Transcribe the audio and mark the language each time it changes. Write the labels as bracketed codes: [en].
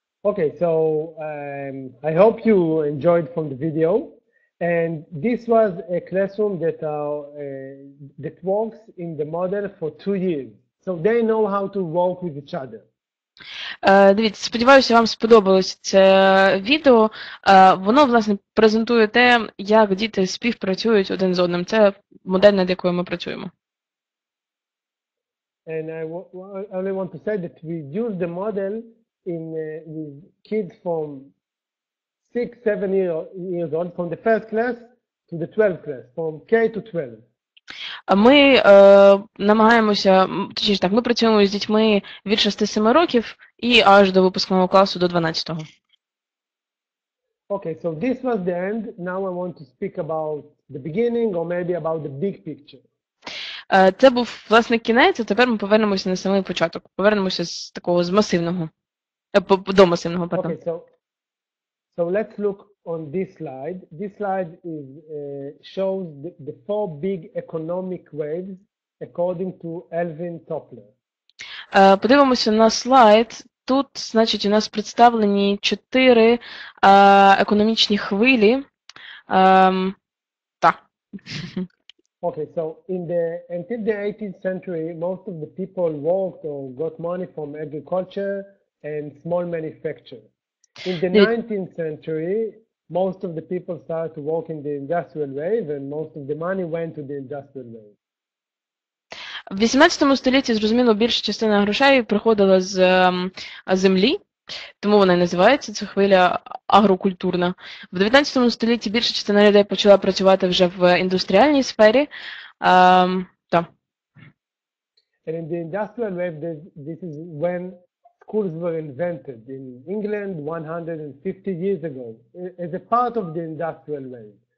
[en] Okay, so I hope you enjoyed from the video, and this was a classroom that that works in the model for 2 years, so they know how to work with each other. [uk] Дивіться, сподіваюся, вам сподобалось це відео. Воно, власне, презентує те, як діти співпрацюють один з одним. Це модель, над якою ми працюємо. [en] And I only want to say that we use the model in with kids from 6-7 years old, from the first class to the 12th class, from K to 12. [uk] Ми намагаємося, точніше так, ми працюємо з дітьми від 6-7 років і аж до випускного класу, до 12-го. [en] Okay, so this was the end. Now I want to speak about the beginning or maybe about the big picture. [uk] Це був, власне, кінець, а тепер ми повернемося на самий початок. Повернемося з такого, з масивного. [en] So let's look on this slide. This slide is shows the four big economic waves according to Alvin Toffler. [uk] Подивимося на слайд. Тут, значить, у нас представлені 4 економічні хвилі. Так. [en] Okay, so until the 18th century, most of the people worked or got money from agriculture and small manufacture. In the 19th century, most of the people started to work in the industrial wave, and most of the money went to the industrial wave. [uk] В 18 столітті, зрозуміло, більша частина грошей приходила з землі, тому вона і називається ця хвиля агрокультурна. В 19 столітті більша частина людей почала працювати вже в індустріальній сфері. [en] And in the industrial wave, this is when schools were invented in England 150 years ago as a part of the industrial wave.